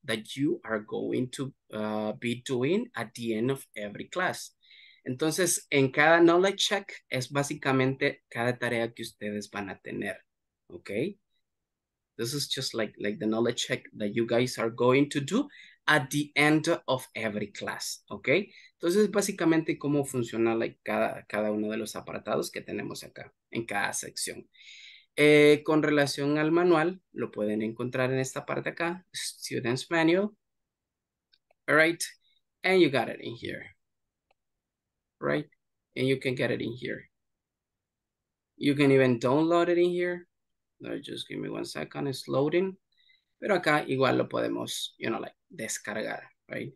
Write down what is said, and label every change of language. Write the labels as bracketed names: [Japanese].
[English] That you are going to be doing at the end of every class. [Spanish] Entonces, en cada knowledge check es básicamente cada tarea que ustedes van a tener, okay? [English] This is just like the knowledge check that you guys are going to do at the end of every class, okay? [Spanish] Entonces, básicamente, cómo funciona like, cada uno de los apartados que tenemos acá, en cada sección. Con relación al manual, lo pueden encontrar en esta parte acá, Student's Manual. [English] All right, and you got it in here. Right, and you can get it in here. You can even download it in here. No, just give me 1 second, it's loading. [Spanish] Pero acá igual lo podemos, [English] you know, like, [Spanish] descargar, right?